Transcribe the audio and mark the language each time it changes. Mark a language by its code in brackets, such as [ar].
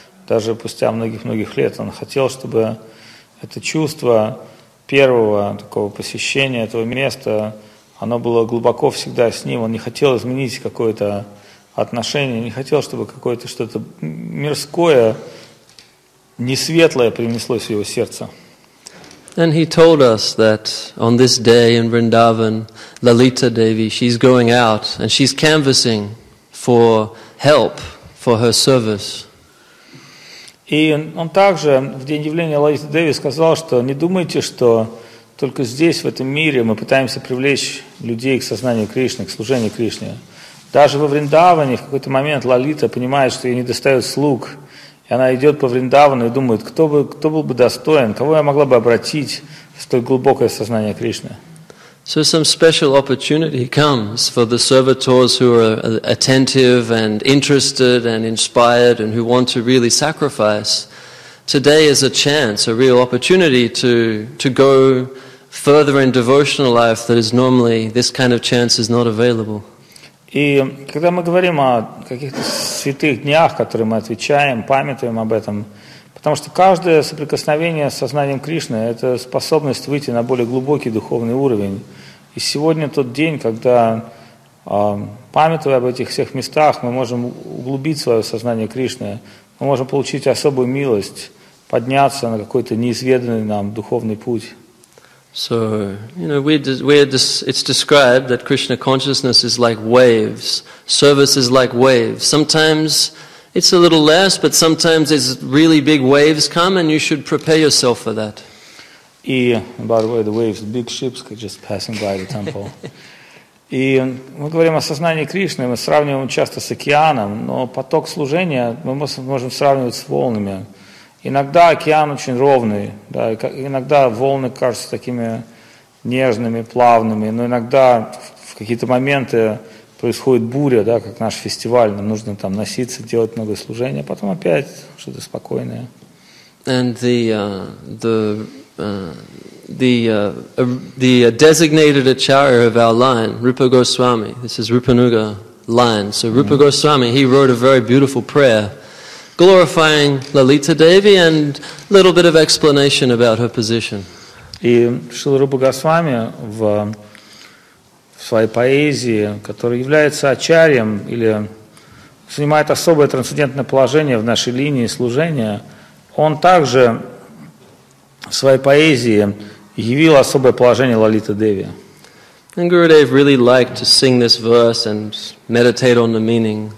[ru] Даже спустя многих-многих лет он хотел, чтобы это чувство первого такого посещения этого места, оно было глубоко всегда с ним. Он не хотел изменить какое-то отношение, не хотел, чтобы какое-то что-то мирское, несветлое принеслось в его сердце. [en] And he told us that on this day in Vrindavan, Lalita Devi, she's going out and she's canvassing for help for her service. [ru] И он также в день явления Лалиты Деви сказал, что не думайте, что только здесь, в этом мире, мы пытаемся привлечь людей к сознанию Кришны, к служению Кришне. Даже во Вриндаване в какой-то момент Лалита понимает, что ей не достает слуг, и она идет по Вриндавану и думает, кто был бы достоин, кого я могла бы обратить в столь глубокое сознание Кришны. [en] So some special opportunity comes for the servitors who are attentive and interested and inspired and who want to really sacrifice. Today is a chance, a real opportunity to go further in devotional life that is normally, this kind of chance is not available. [ru] И когда мы говорим о каких-то святых днях, которые мы отвечаем, памятуем об этом, потому что каждое соприкосновение с сознанием Кришны – это способность выйти на более глубокий духовный уровень. И сегодня тот день, когда, памятуя об этих всех местах, мы можем углубить свое сознание Кришны, мы можем получить особую милость, подняться на какой-то неизведанный нам духовный путь. [en] So, you know, it's described that Krishna consciousness is like waves. Service is like waves. Sometimes it's a little less, but sometimes it's really big waves come and you should prepare yourself for that. И, by the way, the waves, big ships just passing by the temple. [ru] И мы говорим о сознании Кришны, мы сравниваем часто с океаном, но поток служения мы можем сравнивать с волнами. Иногда океан очень ровный, да, иногда волны кажутся такими нежными, плавными, но иногда в какие-то моменты происходит буря, да, как наш фестиваль, нам нужно там носиться, делать много служения, потом опять что-то спокойное. [en] And the designated acharya of our line, Rupa Goswami, this is Rupanuga line, so Rupa Goswami, he wrote a very beautiful prayer glorifying Lalita Devi and a little bit of explanation about her position. [ru] И Шрила Рупа Госвами в своей поэзии, которая является ачарьем или занимает особое трансцендентное положение в нашей линии служения, он также в своей поэзии явил особое положение Лалиты Деви. [en] And Gurudev really liked to sing this verse and meditate on the meaning.